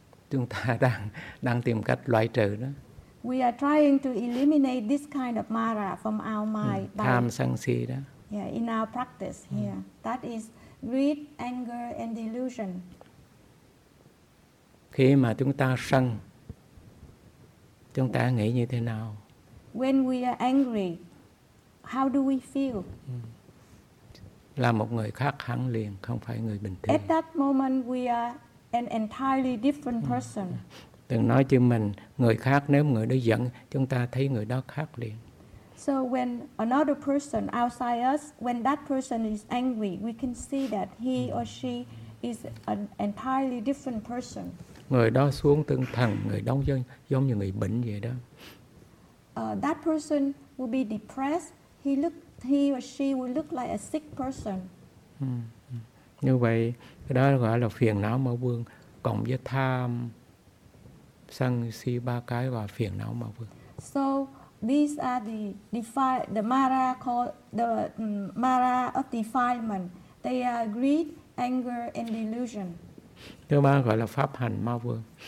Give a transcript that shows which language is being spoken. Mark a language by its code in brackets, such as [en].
[vi] Chúng ta đang tìm cách loại trừ đó. [en] We are trying to eliminate this kind of Mara from our mind. [vi] Tham sân si đó. [en] Yeah, in our practice here, that is greed, anger, and delusion. [vi] Khi mà chúng ta sân, chúng ta nghĩ như thế nào? [en] When we are angry, how do we feel? [vi] Là một người khác hẳn liền, không phải người bình thường. [en] At that moment, we are an entirely different person. [vi] Đừng nói chứ mình, người khác nếu người đó giận, chúng ta thấy người đó khác liền. [en] So when another person outside us, when that person is angry, we can see that he or she is an entirely different person. [vi] Người đó xuống tinh thần, người đó giống như người bệnh vậy đó. [en] That person will be depressed. He or she will look like a sick person. [vi] Như vậy, cái đó gọi là phiền não Ma Vương, cộng với tham, sân, si, ba cái và phiền não Ma Vương. [en] So these are the Mara called the Mara of defilement. They are greed, anger, and delusion. [vi] Thứ ba gọi là pháp hành Ma Vương.